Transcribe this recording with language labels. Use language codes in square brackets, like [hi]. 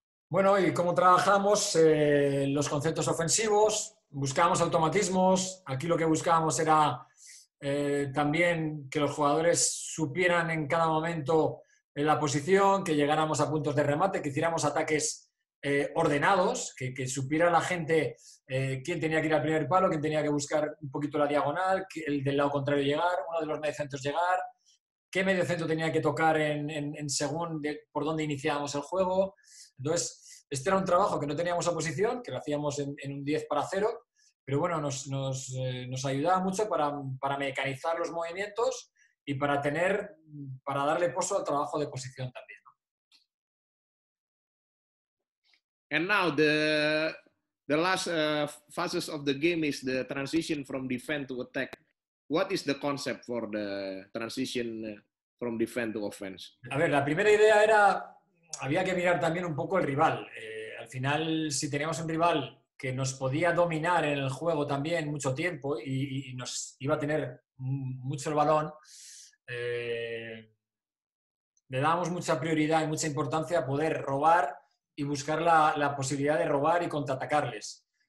[es] Bueno, y cómo trabajamos los conceptos ofensivos, buscábamos automatismos, aquí lo que buscábamos era también que los jugadores supieran en cada momento en la posición, que llegáramos a puntos de remate, que hiciéramos ataques ordenados, que supiera la gente quién tenía que ir al primer palo, quién tenía que buscar un poquito la diagonal, el del lado contrario llegar, uno de los mediocentros llegar, qué mediocentro tenía que tocar en según de, por dónde iniciábamos el juego. Entonces, este era un trabajo que no teníamos a posición, que lo hacíamos en un 10-0, pero bueno, nos ayudaba mucho para mecanizar los movimientos y para darle poso al trabajo de posición también. [en] And now the last phases of the game is the transition from defense to attack. What is the concept for the transition from defense to offense? [es] A ver, la primera idea era, había que mirar también un poco el rival. Al final, si teníamos un rival que nos podía dominar en el juego también mucho tiempo y nos iba a tener mucho el balón, le dábamos mucha prioridad y mucha importancia a poder robar y buscar la posibilidad de robar y contraatacarles.